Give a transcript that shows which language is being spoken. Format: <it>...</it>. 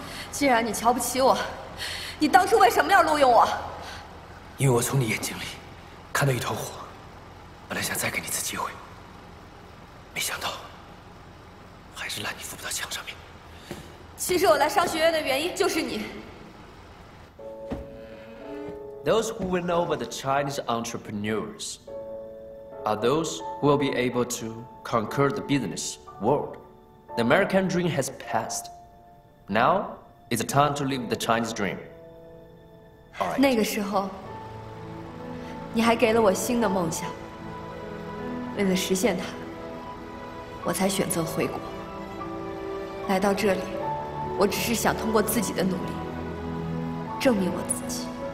<zh>既然你瞧不起我，你当初为什么要录用我？因为我从你眼睛里看到一团火，本来想再给你一次机会，没想到还是烂泥扶不到墙上面。其实我来商学院的原因就是你。</zh> <en>Those who win over the Chinese entrepreneurs are those who will be able to conquer the business world. The American dream has passed. Now it's time to live the Chinese dream. All right.</en> <zh>那个时候，你还给了我新的梦想。为了实现它，我才选择回国。来到这里，我只是想通过自己的努力证明我自己。</zh>